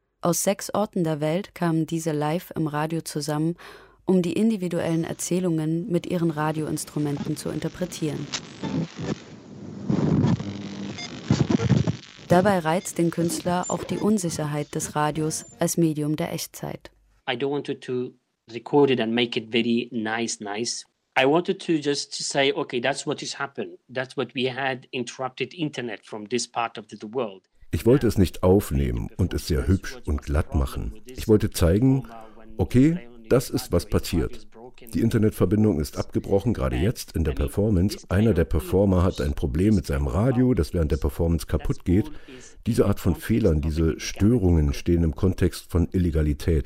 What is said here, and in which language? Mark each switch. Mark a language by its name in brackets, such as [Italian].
[German] Aus 6 Orten der Welt kamen diese live im Radio zusammen, um die individuellen Erzählungen mit ihren Radioinstrumenten zu interpretieren. Dabei reizt den Künstler auch die Unsicherheit des Radios als Medium der Echtzeit. [English] I don't want to record it and make it very nice. I wanted to just say, okay, that's what has happened. That's what we had interrupted internet from this part of the world. [German] Ich wollte es nicht aufnehmen und es sehr hübsch und glatt machen. Ich wollte zeigen, okay, das ist, was passiert. Die Internetverbindung ist abgebrochen, gerade jetzt in der Performance. Einer der Performer hat ein Problem mit seinem Radio, das während der Performance kaputt geht. Diese Art von Fehlern, diese Störungen stehen im Kontext von Illegalität.